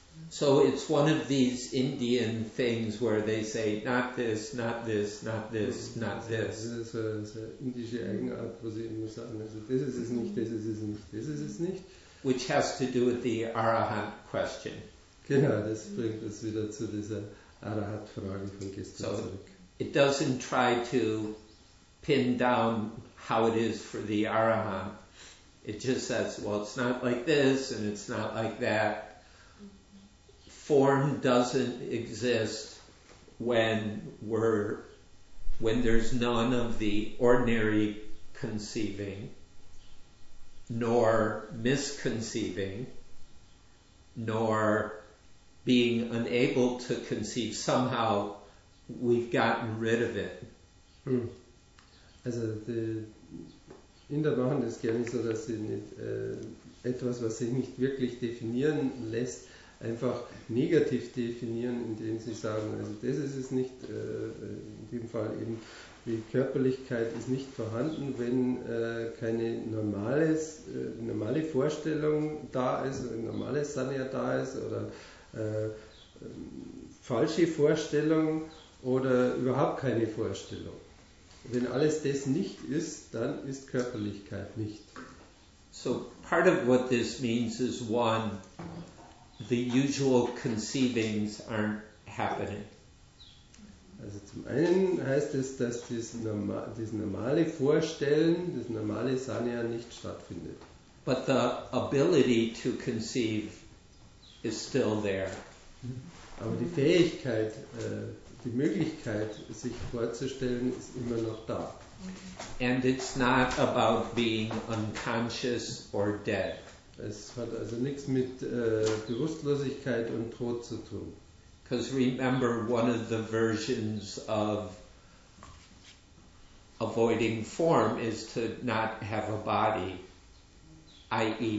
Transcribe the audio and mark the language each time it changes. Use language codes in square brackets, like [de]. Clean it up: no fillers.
[en] So it's one of these Indian things where they say not this, not this, not this, not this. [de] Das ist so eine indische Eigenart, wo sie immer sagen, also das ist es nicht, das ist es nicht, das ist es nicht. [en] Which has to do with the Arahant question. [de] Genau, das bringt uns wieder zu dieser Arahat-Frage von gestern zurück. [en] It doesn't try to pin down how it is for the Arahant. It just says, well, it's not like this and it's not like that. Form doesn't exist when there's none of the ordinary conceiving, nor misconceiving, nor being unable to conceive. Somehow we've gotten rid of it. [de] Also the Inder machen das gerne so, dass sie nicht, etwas, was sich nicht wirklich definieren lässt, einfach negativ definieren, indem sie sagen, also das ist es nicht, in dem Fall eben die Körperlichkeit ist nicht vorhanden, wenn keine normale Vorstellung da ist, ein normales Sanya da ist oder falsche Vorstellung oder überhaupt keine Vorstellung. Wenn alles das nicht ist, dann ist Körperlichkeit nicht. [en] So part of what this means is one, the usual conceivings aren't happening. [de] Also zum einen heißt es, dass das normale Vorstellen, das normale Sanya nicht stattfindet. [en] But the ability to conceive is still there. [de] Aber die Fähigkeit, die Möglichkeit, sich vorzustellen, ist immer noch da. [en] And it's not about being unconscious or dead. [de] Es hat also nichts mit Bewusstlosigkeit und Tod zu tun. [en] Because remember, one of the versions of avoiding form is to not have a body, i.e.